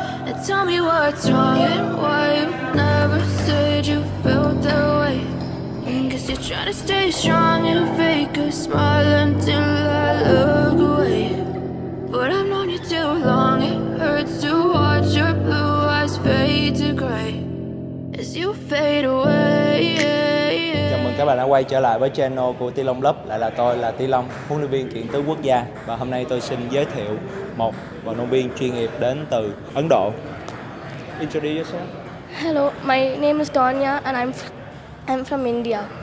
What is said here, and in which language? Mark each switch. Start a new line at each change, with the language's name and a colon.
English: And tell me what's wrong and why you never said you felt that way. Cause you're trying to stay strong and fake a smile until I look away. But I've known you too long, it hurts to watch your blue eyes fade to gray. As you fade away, yeah, yeah.
Vietnamese: Chào mừng các bạn đã quay trở lại với channel của TWIDDLE Club. Lại là tôi là TWIDDLE, huấn luyện viên kiện tướng quốc gia. Và hôm nay tôi xin giới thiệu một vận động viên chuyên nghiệp đến từ Ấn Độ.
English: Introduce yourself. Hello, my name is Tanya and I'm from India.